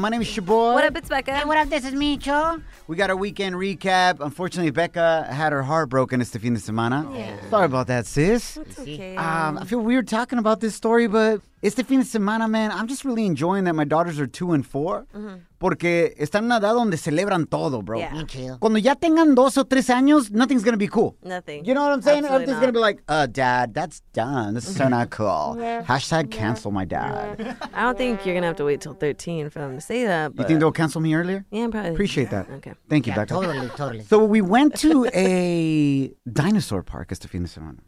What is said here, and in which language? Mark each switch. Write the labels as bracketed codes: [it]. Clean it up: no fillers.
[en] My name is Shaboy. What up, it's Becca. Hey, what up, this is Micho. We got our weekend recap. Unfortunately, Becca had her heart broken this [es] fin de semana. [en] Yeah. Sorry about that, sis. It's okay. I feel weird talking about this story, but it's the [es] fin de semana, [en] man. I'm just really enjoying that my daughters are 2 and 4. Mm-hmm. [es] Porque están en una edad donde celebran todo, bro. [en] Yeah. Me too. [es] Cuando ya tengan 2 o 3 años, [en] nothing's going to be cool. Nothing. You know what I'm saying? Absolutely everything's going to be like, dad, that's done. This is so not cool. Yeah. Hashtag cancel my dad. Yeah. I don't think you're going to have to wait till 13 for them to say that. But... You think they'll cancel me earlier? Yeah, probably. Appreciate that. Okay. Thank you, Becca. Totally. So we went to a dinosaur park, as to [es] fin de semana.